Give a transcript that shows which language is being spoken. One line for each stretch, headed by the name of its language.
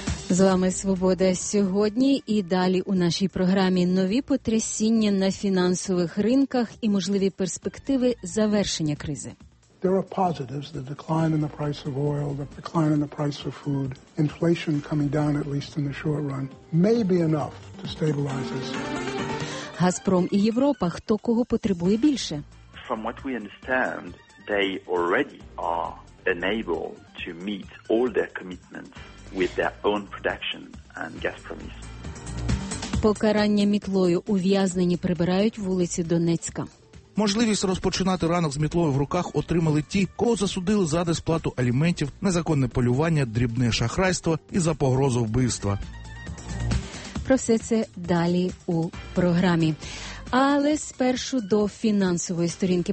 Ukrainian: З вами «Свобода сьогодні» і далі у нашій програмі нові потрясіння на фінансових ринках і можливі перспективи завершення кризи.
English: There are positives, the decline in the price of oil, the decline in the price of food, inflation coming down at least in the short run, may be enough to stabilize us.
Ukrainian: «Газпром» і «Європа» – хто кого потребує більше?
English: From what we understand, they already are unable to meet all their commitments with their own production and gas promise.
Ukrainian: Покарання мітлою. Ув'язнені прибирають вулиці Донецька. Можливість розпочинати ранок з мітлою в руках отримали ті, кого засудили за несплату аліментів, незаконне полювання, дрібне шахрайство і за погрозу вбивства. Про все це далі у програмі. Але спершу до фінансової сторінки.